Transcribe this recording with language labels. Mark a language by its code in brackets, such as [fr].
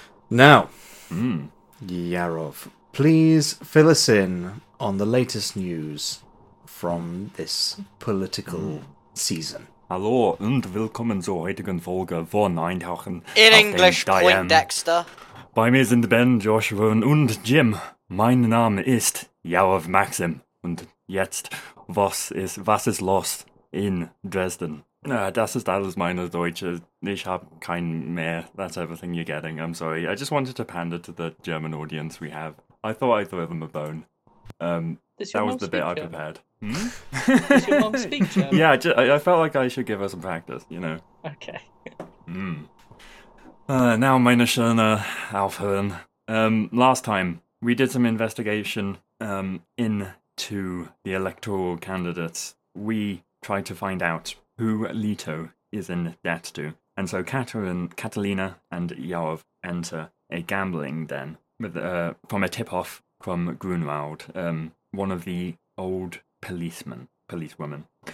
[en] Now, Yarov, please fill us in on the latest news from this political season. [de] Hallo und willkommen zur heutigen Folge von Eintauchen. [en] In English, Point Dexter. [de] Bei mir sind Ben, Joshua und Jim. Mein Name ist Yarov Maxim. Und jetzt, was ist los in Dresden? Das ist alles meine Deutsche. Ich habe kein mehr. [en] That's everything you're getting. I'm sorry. I just wanted to pander to the German audience we have. I thought I'd throw them a bone. That was the bit German? I prepared. Hmm? Does your mom speak German? Yeah, I felt like I should give her some practice, you know. Okay. [de] Now, meine schöne Aufhören. [en] Last time, we did some investigation into the electoral candidates. We tried to find out who Leto is in debt to. And so Catalina and Yarov enter a gambling den from a tip-off from Grunwald, one of the old policewomen.